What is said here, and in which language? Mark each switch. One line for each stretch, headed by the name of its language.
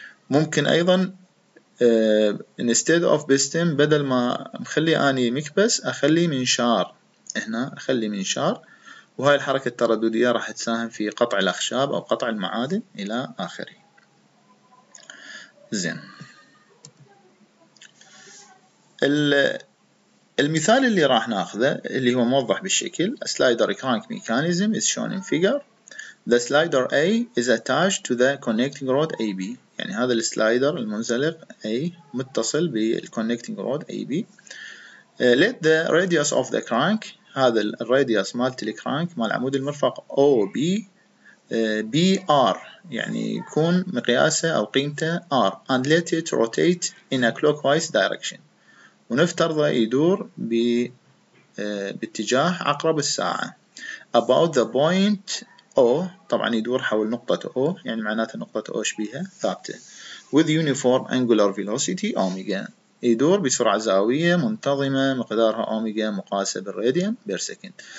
Arabic: ممكن أيضا
English: instead of piston،
Arabic: بدل ما أخلي أني مكبس أخلي منشار، هنا أخلي منشار، وهاي الحركة الترددية راح تساهم في قطع الأخشاب أو قطع المعادن إلى آخره. زين، المثال اللي راح ناخذه اللي هو موضح بالشكل
English: slider crank mechanism is shown in figure. The slider A is attached to the connecting rod AB.
Arabic: يعني هذا السلايدر المنزلق A متصل بالconnecting rod AB.
English: Let the radius of the crank،
Arabic: هذا الradius مال الكرانك مال عمود المرفق OB BR، يعني يكون مقياسه أو قيمته R،
English: and let it rotate in a clockwise direction.
Arabic: ونفترض يدور باتجاه عقرب الساعة
English: about the point O،
Arabic: طبعا يدور حول نقطة O، يعني معناته نقطة O شبيهة ثابتة،
English: with uniform angular velocity omega،
Arabic: يدور بسرعة زاوية منتظمة مقدارها أوميجا مقاسة بالراديان بير سكند.